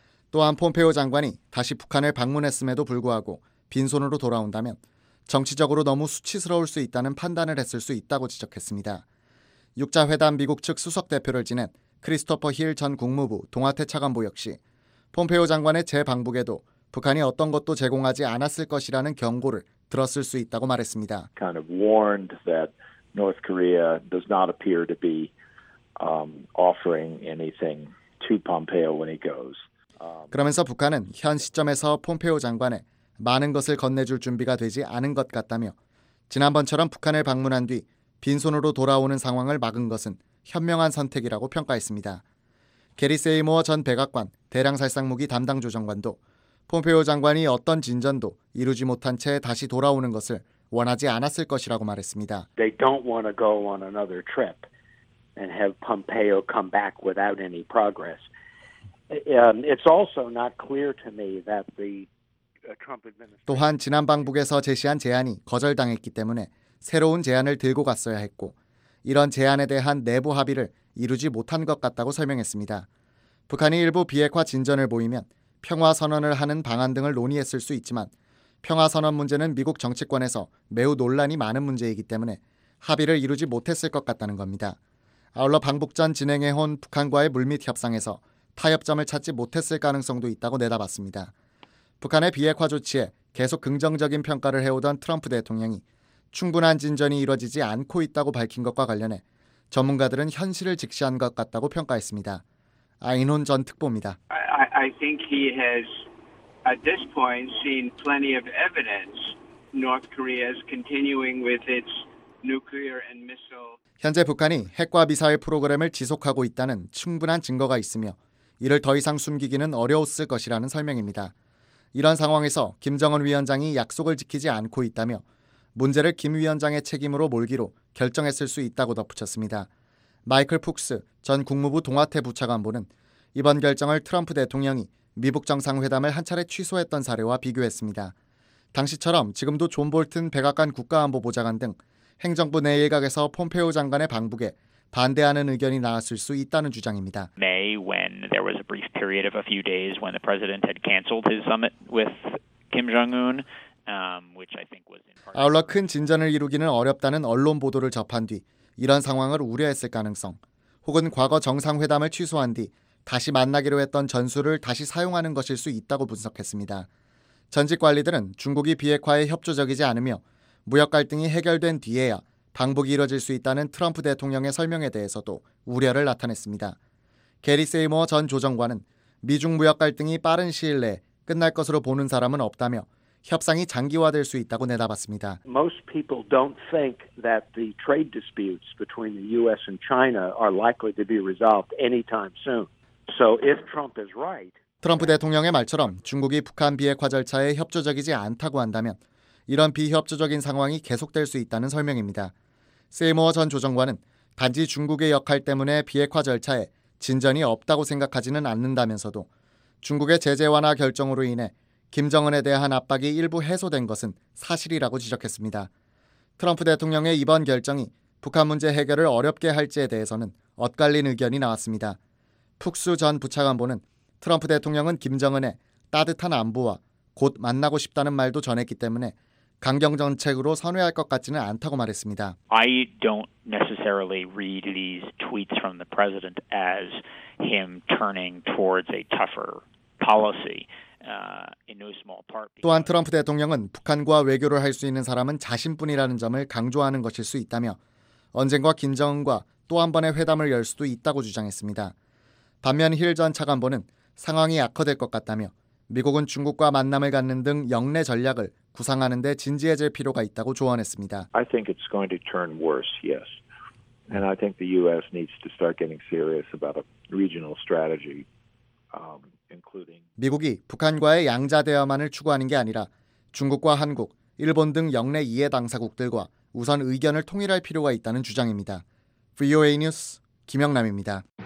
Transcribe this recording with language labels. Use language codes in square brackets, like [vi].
[ko] 또한 폼페오 장관이 다시 북한을 방문했음에도 불구하고 빈손으로 돌아온다면 정치적으로 너무 수치스러울 수 있다는 판단을 했을 수 있다고 지적했습니다. 6자회담 미국 측 수석대표를 지낸 크리스토퍼 힐 전 국무부 동아태 차관보 역시 폼페오 장관의 재방북에도 북한이 어떤 것도 제공하지 않았을 것이라는 경고를 들었을 수 있다고 말했습니다. [en] Kind of warned that North Korea does not appear to be offering anything to Pompeo when he goes. [ko] 그러면서 북한은 현 시점에서 폼페오 장관에 많은 것을 건네줄 준비가 되지 않은 것 같다며 지난번처럼 북한을 방문한 뒤 빈손으로 돌아오는 상황을 막은 것은 현명한 선택이라고 평가했습니다. 게리 세이모어 전 백악관 대량살상무기 담당 조정관도 폼페오 장관이 어떤 진전도 이루지 못한 채 다시 돌아오는 것을 원하지 않았을 것이라고 말했습니다. [en] They don't want to go on another trip and have Pompeo come back without any progress. It's also not clear to me that the Trump administration. [ko] 또한 지난 방북에서 제시한 제안이 거절당했기 때문에 새로운 제안을 들고 갔어야 했고 이런 제안에 대한 내부 합의를 이루지 못한 것 같다고 설명했습니다. 북한이 일부 비핵화 진전을 보이면 평화 선언을 하는 방안 등을 논의했을 수 있지만 평화 선언 문제는 미국 정치권에서 매우 논란이 많은 문제이기 때문에 합의를 이루지 못했을 것 같다는 겁니다. 아울러 방북 전 진행해 온 북한과의 물밑 협상에서 타협점을 찾지 못했을 가능성도 있다고 내다봤습니다. 북한의 비핵화 조치에 계속 긍정적인 평가를 해오던 트럼프 대통령이 충분한 진전이 이루어지지 않고 있다고 밝힌 것과 관련해 전문가들은 현실을 직시한 것 같다고 평가했습니다. 아이논 전 특보입니다. [en] I think he has at this point seen plenty of evidence North Korea is continuing with its nuclear and missile. [ko] 현재 북한이 핵과 미사일 프로그램을 지속하고 있다는 충분한 증거가 있으며 이를 더 이상 숨기기는 어려웠을 것이라는 설명입니다. 이런 상황에서 김정은 위원장이 약속을 지키지 않고 있다며 문제를 김 위원장의 책임으로 몰기로 결정했을 수 있다고 덧붙였습니다. 마이클 푹스 전 국무부 동아태 부차관보는 이번 결정을 트럼프 대통령이 미북 정상회담을 한 차례 취소했던 사례와 비교했습니다. 당시처럼 지금도 존 볼튼 백악관 국가안보보좌관 등 행정부 내 일각에서 폼페오 장관의 방북에 반대하는 의견이 나왔을 수 있다는 주장입니다. [en] May when there was a brief period of a few days when the president had canceled his summit with Kim Jong-un, which I think was in part. [ko] 아울러 큰 진전을 이루기는 어렵다는 언론 보도를 접한 뒤 이런 상황을 우려했을 가능성, 혹은 과거 정상회담을 취소한 뒤 다시 만나기로 했던 전술을 다시 사용하는 것일 수 있다고 분석했습니다. 전직 관리들은 중국이 비핵화에 협조적이지 않으며 무역 갈등이 해결된 뒤에야 방북이 이뤄질 수 있다는 트럼프 대통령의 설명에 대해서도 우려를 나타냈습니다. 게리 세이머 전 조정관은 미중 무역 갈등이 빠른 시일 내에 끝날 것으로 보는 사람은 없다며 협상이 장기화될 수 있다고 내다봤습니다. [en] Most people don't think that the trade disputes between the US and China are likely to be resolved anytime soon. So if Trump is right, [ko] 트럼프 대통령의 말처럼 중국이 북한 비핵화 절차에 협조적이지 않다고 한다면 이런 비협조적인 상황이 계속될 수 있다는 설명입니다. 세이머 전 조정관은 단지 중국의 역할 때문에 비핵화 절차에 진전이 없다고 생각하지는 않는다면서도 중국의 제재 완화 결정으로 인해 김정은에 대한 압박이 일부 해소된 것은 사실이라고 지적했습니다. 트럼프 대통령의 이번 결정이 북한 문제 해결을 어렵게 할지에 대해서는 엇갈린 의견이 나왔습니다. 푹스 전 부차관보는 트럼프 대통령은 김정은의 따뜻한 안부와 곧 만나고 싶다는 말도 전했기 때문에 강경 정책으로 선회할 것 같지는 않다고 말했습니다. [en] I don't necessarily read these tweets from the president as him turning towards a tougher policy. In no small part. [ko] 또한 트럼프 대통령은 북한과 외교를 할 수 있는 사람은 자신뿐이라는 점을 강조하는 것일 수 있다며 언젠가 김정은과 또 한 번의 회담을 열 수도 있다고 주장했습니다. 반면 힐 전 차관보는 상황이 악화될 것 같다며 미국은 중국과 만남을 갖는 등 역내 전략을 구상하는 데 진지해질 필요가 있다고 조언했습니다. [en] I think it's going to turn worse, yes. And I think the U.S. needs to start getting serious about a regional strategy, including [ko] 미국이 북한과의 양자 대화만을 추구하는 게 아니라 중국과 한국, 일본 등 역내 이해 당사국들과 우선 의견을 통일할 필요가 있다는 주장입니다. VOA 뉴스 김영남입니다.